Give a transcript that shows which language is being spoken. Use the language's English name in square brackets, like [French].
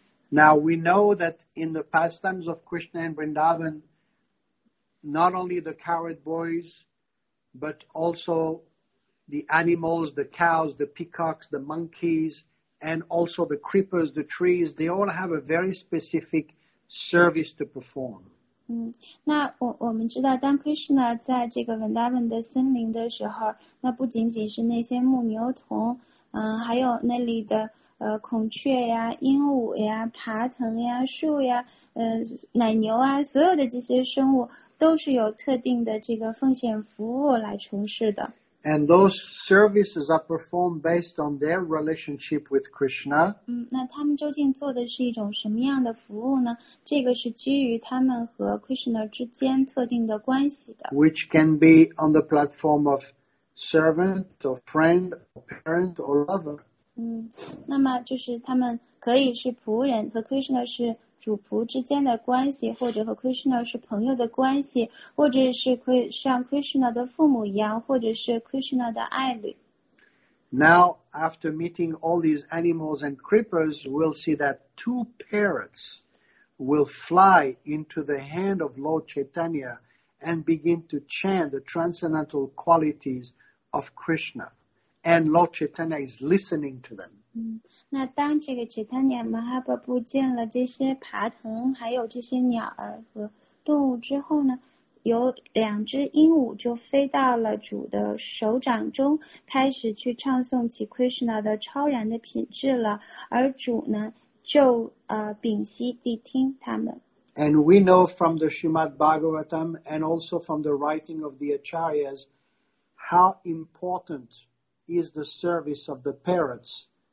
[English] Now we know that in the pastimes of Krishna and Vrindavan, not only the cowherd boys, but also the animals, the cows, the peacocks, the monkeys. And also the creepers, the trees, they all have a very specific service to perform. [Chinese] 嗯，那我们知道，当 Krishna 在这个 Vrindavan 的森林的时候，那不仅仅是那些牧牛童，嗯，还有那里的孔雀呀、鹦鹉呀、爬藤呀、树呀、奶牛啊，所有的这些生物都是有特定的这个奉献服务来从事的。 [English] And those services are performed based on their relationship with Krishna. [Chinese] 嗯，那他们究竟做的是一种什么样的服务呢？这个是基于他们和 Krishna 之间特定的关系的。 [English] Which can be on the platform of servant, or friend, or parent, or lover. [Chinese] 嗯，那么就是他们可以是仆人，和 Krishna 是主仆之间的关系，或者和 Krishna 是朋友的关系，或者是像 Krishna 的父母一样，或者是 Krishna 的爱侣。 [English] Now, after meeting all these animals and creepers, we'll see that two parrots will fly into the hand of Lord Chaitanya and begin to chant the transcendental qualities of Krishna. And Lord Chaitanya is listening to them. [Chinese] 嗯，那当这个切特尼亚马哈巴布见了这些爬藤，还有这些鸟儿和动物之后呢，有两只鹦鹉就飞到了主的手掌中，开始去唱诵起 Krishna 的超然的品质了。而主呢，就屏息谛听他们。 [English] And we know from the Srimad Bhagavatam and also from the writing of the Acharyas how important is the service of the parrots.